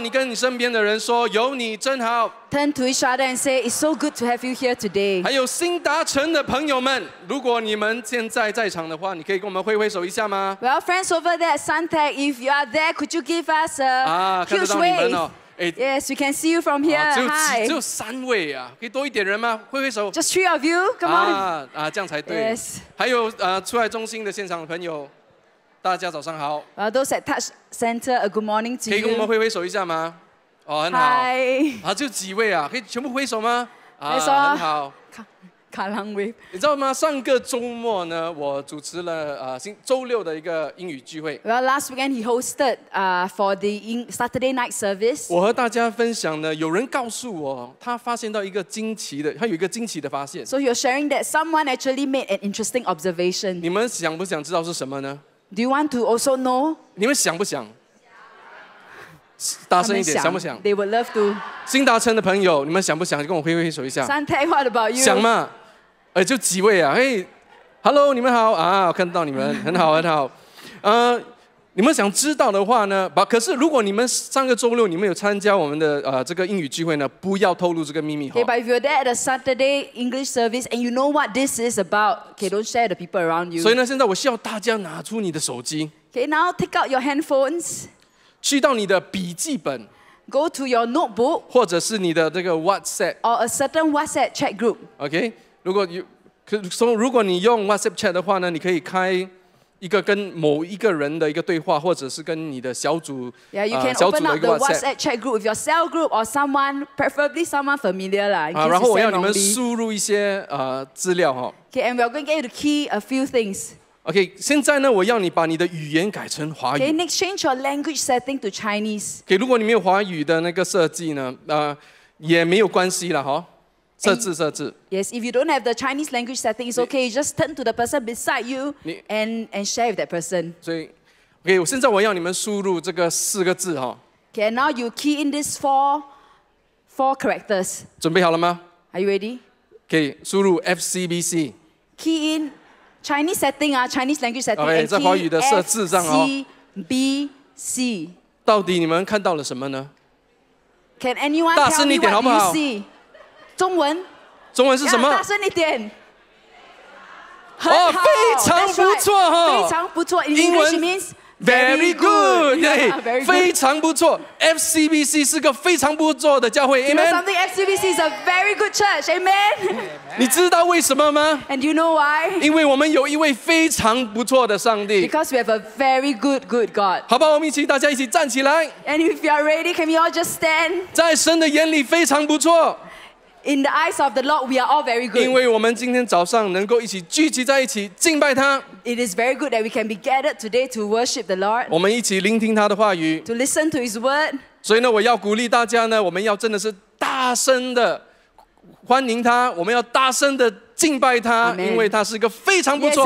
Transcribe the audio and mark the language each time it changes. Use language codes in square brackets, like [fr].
[zh] 你跟你身边的人说，有你真好。 [en] Turn to each other and say, "It's so good to have you here today." [zh] 还有新达成的朋友们，如果你们现在在场的话，你可以跟我们挥挥手一下吗 [en] ？Well, friends over there, Suntec, if you are there, could you give us a huge wave? Yes, we can see you from here. [zh] 只有三位啊，可以多一点人吗？挥挥手。 [en] Just three of you, come on. [zh] 这样才对。 [en] Yes. [zh] 还有出来中心的现场的朋友，大家早上好。 [en] Those at Touch Center, a good morning to you. [zh] 可以跟我们挥挥手一下吗？哦，很好。 [en] Hi. [zh] 只有几位啊，可以全部挥手吗？没错。很好。卡郎威。你知道吗？上个周末呢，我主持了周六的一个英语聚会。 [en] Well, last weekend he hosted for the Saturday night service. [zh] 我和大家分享呢，有人告诉我，他发现到一个惊奇的，他有一个惊奇的发现。 [en] So you're sharing that someone actually made an interesting observation. [zh] 你们想不想知道是什么呢 [en] ？Do you want to also know? [zh] 你们想不想？大声一点，想不想 [en] ？They would love to. [zh] 新达成的朋友，你们想不想？跟我挥挥手一下。 [en] Santai, what about you? [zh] 想吗？就几位啊？ [en] Hello, [zh] 你们好啊！我看到你们，很好，很好。你们想知道的话呢？可是如果你们上个周六你们有参加我们的这个英语聚会呢，不要透露这个秘密。 [en] Okay, but if you're there at a Saturday English service and you know what this is about, okay, don't share the people around you. [zh] 所以呢，现在我需要大家拿出你的手机。 [en] Okay, now take out your handphones. [zh] 去到你的笔记本 [en] ，Go to your notebook， [zh] 或者是你的这个 WhatsApp， [en] or a certain WhatsApp chat group。 [zh] OK， 如果你用 WhatsApp chat 的话呢，你可以开一个跟某一个人的一个对话，或者是跟你的小组 [en] ，Yeah， you can open up the WhatsApp chat group with your cell group or someone， preferably someone familiar 啦。啊， [zh] 然后我要你们输入一些资料哈。 [en] Okay， and we are going to get you to key a few things。 [zh] OK， 现在呢，我要你把你的语言改成华语。 [en] Okay, exchange your language setting to Chinese. [zh] OK， 如果你没有华语的那个设置呢，也没有关系了哈。设置。 [en] Yes, if you don't have the Chinese language setting, it's okay. You just turn to the person beside you and share with that person. [zh] 所以 ，OK， 我现在我要你们输入这个四个字哈。 [en] Okay, now you key in this four characters. [zh] 准备好了吗 [en] ？Are you ready? [zh] OK， 输入 FCBC. [en] Key in. Chinese setting 啊 ，Chinese language setting。 [zh] OK， 在华语的设置上哦。 [en] C B C。 [zh] 到底你们看到了什么呢 [en] ？Can anyone tell me what you see？ [zh] 中文。中文是什么？ [en] Yeah, [zh] 大声一点。非常不错哈。 [en] Right, [zh] 非常不错。英文 [en] means very good， [zh] 对，非常不错。F C B C 是个非常不错的教会 ，Amen。 [en] You know something? F C B C is a very good church, Amen。 [zh] 你知道为什么吗 [en] ？And you know why? [zh] 因为我们有一位非常不错的上帝。 [en] Because we have a very good God。 [zh] 好吧，我们一起，大家一起站起来。 [en] And if you are ready, can we all just stand? [zh] 在神的眼里非常不错。 [en] In the eyes of the Lord, we are all very good. [zh] 因为我们今天早上能够一起聚集在一起敬拜他。 [en] It is very good that we can be gathered today to worship the Lord. [zh] 我们一起聆听他的话语。 [en] To listen to his word. [zh] 所以呢，我要鼓励大家呢，我们要真的是大声的。欢迎他，我们要大声的敬拜他， [en] Amen. [zh] 因为他是一个非常不错